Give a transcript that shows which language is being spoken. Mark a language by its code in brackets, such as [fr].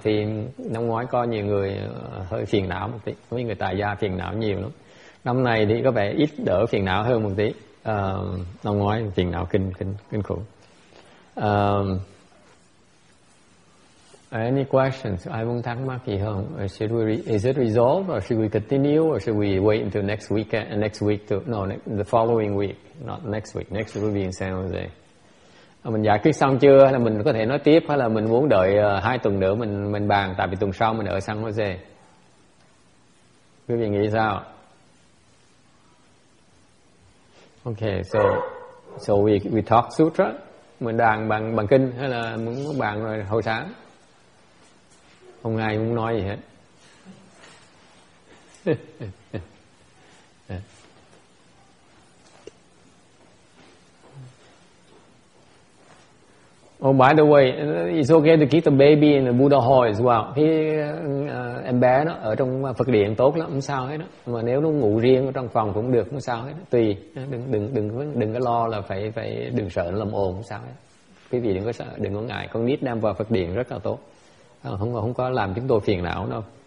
[vi] Thì năm ngoái có nhiều người hơi phiền não một tí, mấy người tài gia phiền não nhiều lắm. Năm nay thì có vẻ ít đỡ phiền não hơn một tí. Năm ngoái phiền não kinh khủng. [en] Any questions? [vi] Ai muốn thắc mắc gì không? [en] Should we is it resolved, or should we continue, or should we wait until next week? The following week, not next week. Next week will be in San Jose. [vi] Mình giải quyết xong chưa? Hay là mình có thể nói tiếp? Hay là mình muốn đợi 2 tuần nữa mình bàn? Tại vì tuần sau mình ở San Jose. Quý vị nghĩ sao? [en] Okay, so we talk sutra. [vi] Mình đàn bằng kinh hay là muốn bàn rồi hồi sáng? Không ai muốn nói gì hết. [en] Oh, by the way, it's okay to keep the baby in the Buddha hall as well. [vi] Thì em bé nó ở trong Phật điện tốt lắm, không sao hết đó. Mà nếu nó ngủ riêng ở trong phòng cũng được, không sao hết đó. Tùy, đừng có lo là phải đừng sợ nó làm ồn, không sao hết. Quý vị đừng có sợ, đừng có ngại. Con nít đem vào Phật điện rất là tốt. Không có làm chúng tôi phiền não đâu.